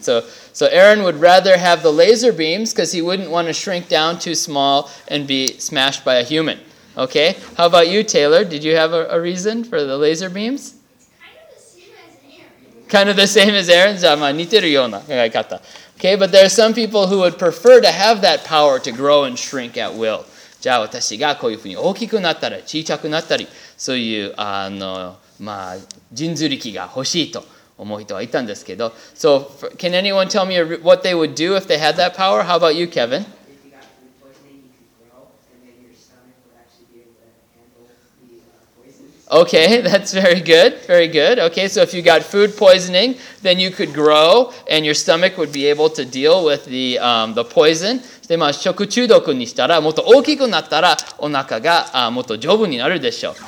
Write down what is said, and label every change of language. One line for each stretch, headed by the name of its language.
English: So Aaron would rather have the laser beams because he wouldn't want to shrink down too small and be smashed by a human. Okay, how about you, Taylor? Did you have a reason for the laser beams? It's kind of the same as Aaron. Kind of the same as Aaron?
Japanese: 似てるような考え方.
English: Okay, but there are some people who would prefer to have that power to grow and shrink at will.
Japanese: じゃあ私がこういうふうに大きくなったり小さくなったり、そういうあの、まあ、神通力が欲しいと思う人はいたんですけど。
English: So, can anyone tell me what they would do if they had that power? How about you, Kevin? If you got food poisoning, you could grow, and then your stomach would actually be able to handle the poison. Okay, that's very good, very good. Okay, so if you got food poisoning, then you could grow, and your stomach would be able to deal with the poison.
Japanese: で、まあ、食中毒にしたら、もっと大きくなったら、お腹がもっと丈夫になるでしょう。